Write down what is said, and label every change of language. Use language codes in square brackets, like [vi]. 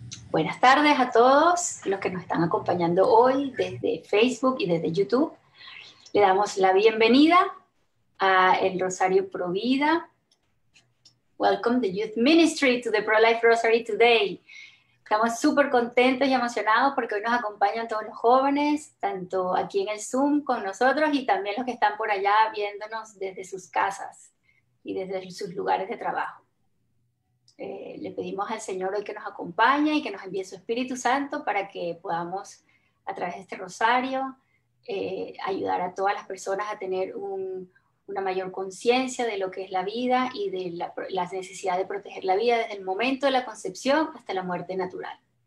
[es] Buenas tardes a todos los que nos están acompañando hoy desde Facebook y desde YouTube. Le damos la bienvenida a el Rosario Provida. [en] Welcome the Youth Ministry to the Pro-Life Rosary today. [es] Estamos súper contentos y emocionados porque hoy nos acompañan todos los jóvenes, tanto aquí en el Zoom con nosotros y también los que están por allá viéndonos desde sus casas y desde sus lugares de trabajo. Le pedimos al Señor hoy que nos acompañe y que nos envíe su Espíritu Santo para que podamos, a través de este rosario, ayudar a todas las personas a tener una mayor conciencia de lo que es la vida y de la necesidad de proteger la vida desde el momento de la concepción hasta la muerte natural.